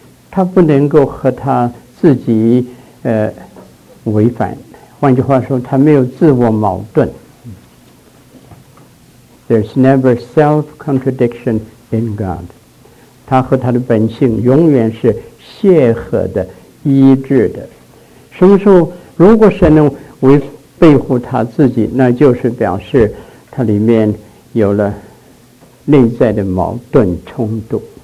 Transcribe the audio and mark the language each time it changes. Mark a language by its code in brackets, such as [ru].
[zh] 他不能够和他自己违反，换句话说，他没有自我矛盾。 [en] There's never self-contradiction in God. [zh] 他和他的本性永远是协和的、一致的。什么时候，如果神能背乎他自己，那就是表示他里面有了内在的矛盾冲突。